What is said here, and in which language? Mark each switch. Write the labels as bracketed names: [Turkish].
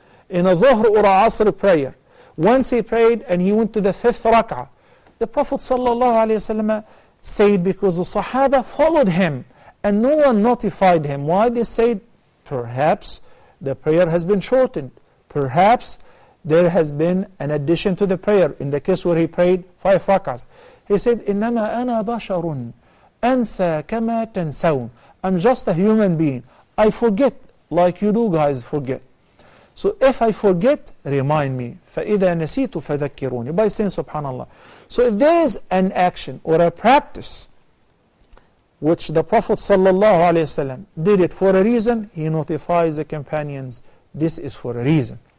[English] In a dhuhr or a asr prayer, once he prayed and he went to the fifth rak'ah, the Prophet ﷺ said, because the Sahaba followed him and no one notified him. Why? They said, perhaps the prayer has been shortened. Perhaps there has been an addition to the prayer in the case where he prayed five rak'ahs. [Arabic] He said, إِنَّمَا أَنَا بَشَرٌ أَنْسَى كَمَا تَنْسَوْنَ. [English] I'm just a human being. I forget like you do guys forget. So if I forget, remind me. [Arabic] فَإِذَا نَسِيتُ فَذَكِّرُونِ. [English] By saying subhanAllah. So if there is an action or a practice which the Prophet sallallahu alayhi wa sallam did it for a reason, he notifies the companions, this is for a reason.